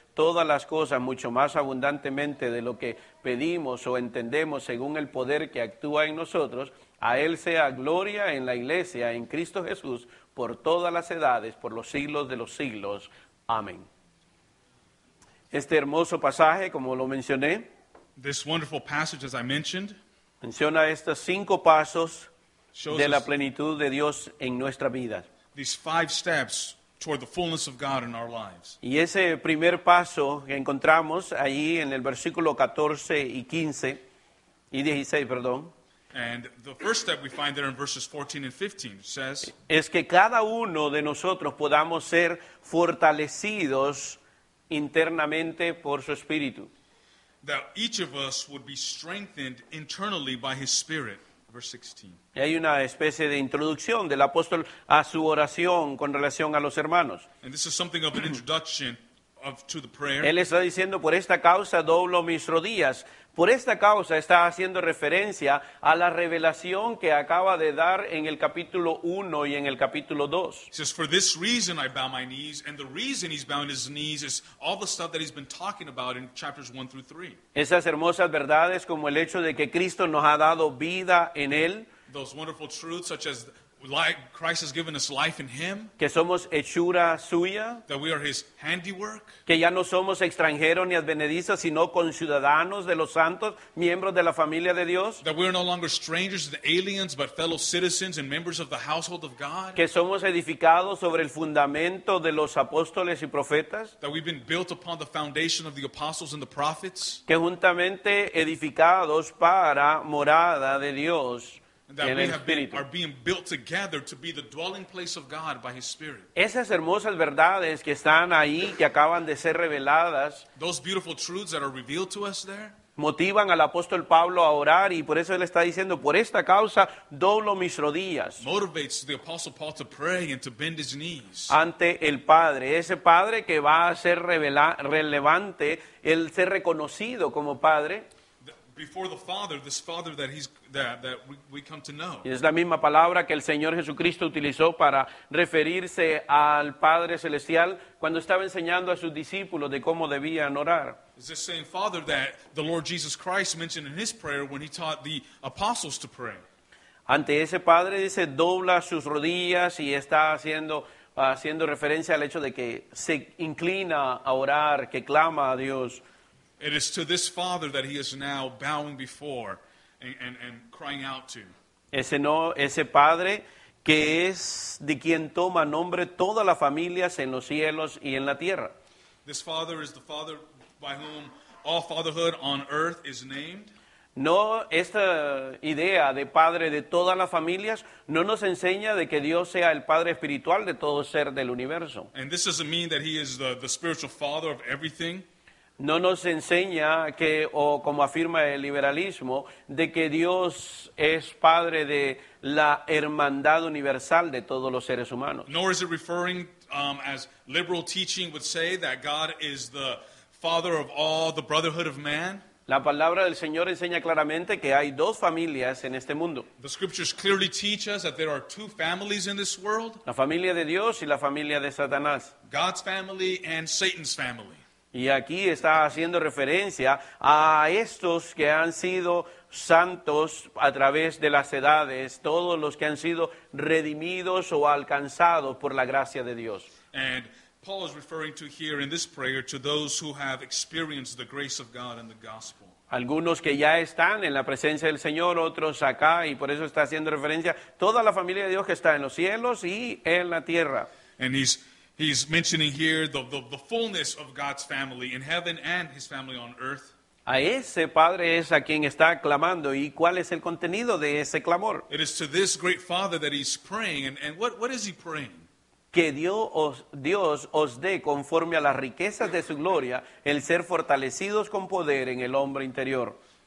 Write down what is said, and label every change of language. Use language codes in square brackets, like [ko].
[es] todas las cosas mucho más abundantemente de lo que pedimos o entendemos según el poder que actúa en nosotros, a Él sea gloria en la iglesia, en Cristo Jesús, por todas las edades, por los siglos de los siglos. Amén. Este hermoso pasaje, como lo mencioné, [en] this wonderful passage, as I mentioned, [es] menciona estos cinco pasos de la plenitud de Dios en nuestra vida. [en] These five steps toward the fullness of God in our lives. [es] Y ese primer paso que encontramos ahí en el versículo 14 y 15 y 16, perdón. [en] And the first step we find there in verses 14 and 15 says, [es] es que cada uno de nosotros podamos ser fortalecidos internamente por su Espíritu. [en] That each of us would be strengthened internally by His Spirit. Verse 16. [es] Hay una especie de introducción del apóstol a su oración con relación a los hermanos. [en] And this is something of an introduction of to the prayer. [es] Él está diciendo, por esta causa doblo mis rodillas. Por esta causa está haciendo referencia a la revelación que acaba de dar en el capítulo 1 y en el capítulo 2. [en] He says, for this reason I bow my knees, and the reason he's bowing his knees is all the stuff that he's been talking about in chapters 1 through 3. [es] Esas hermosas verdades como el hecho de que Cristo nos ha dado vida en Él. [en] Those wonderful truths such as like Christ has given us life in Him. [es] Que somos hechura suya. [en] That we are His handiwork. [es] Que ya no somos extranjeros ni advenedizos, sino conciudadanos de los santos, miembros de la familia de Dios. [en] That we are no longer strangers and aliens, but fellow citizens and members of the household of God. [es] Que somos edificados sobre el fundamento de los apóstoles y profetas. [en] That we've been built upon the foundation of the apostles and the prophets. [es] Que juntamente edificados para morada de Dios. [en] That we have been, are being built together to be the dwelling place of God by His Spirit. [es] Esas hermosas verdades que están ahí, que acaban de ser reveladas, [en] those beautiful truths that are revealed to us there, [es] motivan al apóstol Pablo a orar, y por eso él está diciendo, por esta causa doblo mis rodillas. [en] Motivates the apostle Paul to pray and to bend his knees. [es] Ante el Padre, ese Padre que va a ser relevante, el ser reconocido como Padre. [en] Before the Father, this Father that He's that we come to know. [es] Es la misma palabra que el Señor Jesucristo utilizó para referirse al Padre Celestial cuando estaba enseñando a sus discípulos de cómo debían orar. [en] It's the same Father that the Lord Jesus Christ mentioned in His prayer when He taught the apostles to pray. [es] Ante ese Padre dice, dobla sus rodillas, y está haciendo referencia al hecho de que se inclina a orar, que clama a Dios. [en] It is to this Father that he is now bowing before and crying out to. [es] Ese no, ese Padre que es de quien toma nombre todas las familias en los cielos y en la tierra. [en] This Father is the Father by whom all fatherhood on earth is named. [es] No, esta idea de Padre de todas las familias no nos enseña de que Dios sea el Padre espiritual de todo ser del universo. [en] And this doesn't mean that he is the spiritual Father of everything. [es] No nos enseña que, o como afirma el liberalismo, de que Dios es padre de la hermandad universal de todos los seres humanos. [en] Nor is it referring, as liberal teaching would say, that God is the father of all the brotherhood of man. [es] La palabra del Señor enseña claramente que hay dos familias en este mundo. [en] The scriptures clearly teach us that there are two families in this world. [es] La familia de Dios y la familia de Satanás. [en] God's family and Satan's family. [es] Y aquí está haciendo referencia a estos que han sido santos a través de las edades, todos los que han sido redimidos o alcanzados por la gracia de Dios. [en] And Paul is referring to here in this prayer to those who have experienced the grace of God and the gospel. [es] Algunos que ya están en la presencia del Señor, otros acá, y por eso está haciendo referencia toda la familia de Dios que está en los cielos y en la tierra. [en] And he's mentioning here the fullness of God's family in heaven and his family on earth. [es] A ese padre es a quien está clamando. ¿Y cuál es el contenido de ese clamor? [en] It is to this great father that he's praying. And what is he praying? [es] Que Dios os dé conforme a las riquezas de su gloria el ser fortalecidos con poder en el hombre interior.